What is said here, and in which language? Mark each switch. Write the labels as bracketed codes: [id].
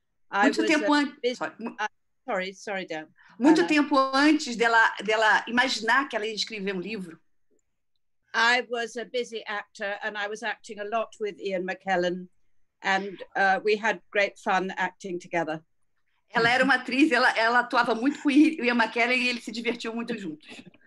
[pt] Muito tempo antes dela imaginar que ela ia escrever livro. [en] I was a busy actor, and I was acting a lot with Ian McKellen, and we had great fun acting together. [pt] Ela era uma atriz, ela atuava muito com Ian McKellen e eles se divertiam muito juntos.